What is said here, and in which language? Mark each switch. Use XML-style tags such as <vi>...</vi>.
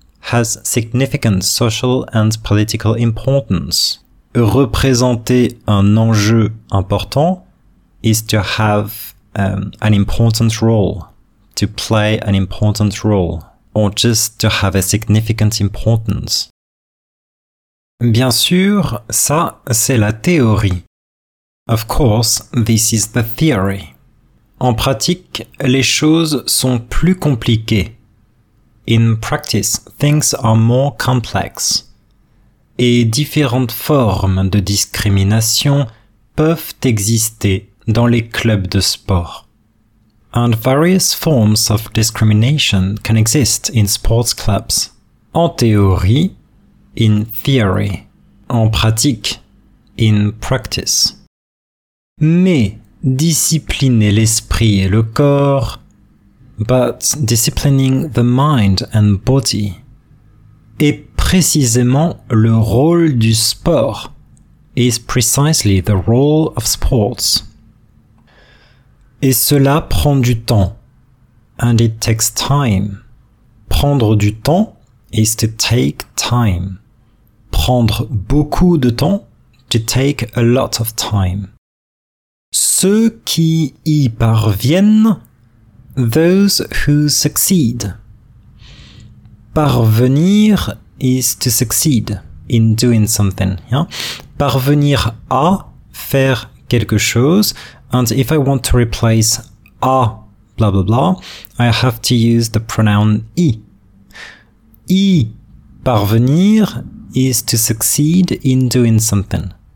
<en>Has significant social and political importance.</en> <fr>Représenter un enjeu important</fr> <en>is to have an important role, to play an important role, or just to have a significant importance.</en> <fr>Bien sûr, ça, c'est la théorie.</fr> <en>Of course, this is the theory.</en> <fr>En pratique, les choses sont plus compliquées.</fr> <en>In practice, things are more complex.</en> <fr>Et différentes formes de discrimination peuvent exister dans les clubs de sport.</fr> <en>And various forms of discrimination can exist in sports clubs.</en> <fr>En théorie,</fr> <en>in theory,</en> <fr>en pratique,</fr> <en>in practice.</en> <fr>Mais discipliner l'esprit et le corps,</fr> <en>but disciplining the mind and body,</en> <fr>est précisément le rôle du sport,</fr> <en>is precisely the role of sports.</en> <fr>Et cela prend du temps,</fr> <en>and it takes time.</en> <fr>Prendre du temps</fr> <en>is to take time.</en> <fr>Prendre beaucoup de temps,</fr> <en>to take a lot of time.</en> <fr>Ceux qui y parviennent,</fr> <en>those who succeed. Parvenir is to succeed in doing something. Yeah?</en> <fr>Parvenir à faire quelque chose.</fr> <en>And if I want to replace a blah blah blah, I have to use the pronoun y.</en> <fr>Y parvenir</fr> <en>is to succeed in doing something.</en>